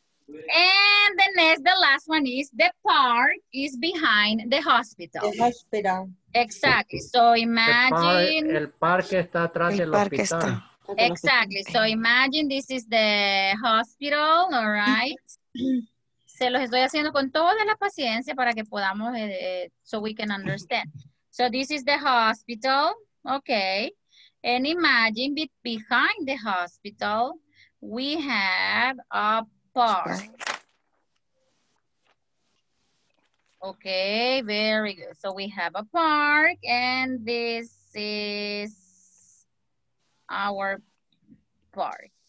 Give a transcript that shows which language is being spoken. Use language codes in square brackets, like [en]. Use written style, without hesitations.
[en] And the next, the last one is the park is behind the hospital. The hospital. Exactly. So imagine. [es] El parque está atrás del hospital. Está. [en] Exactly. So imagine this is the hospital, all right? [es] Se los estoy haciendo con toda la paciencia para que podamos, [en] so we can understand. So this is the hospital, okay? And imagine behind the hospital, we have a park. Okay, very good. So we have a park and this is our park.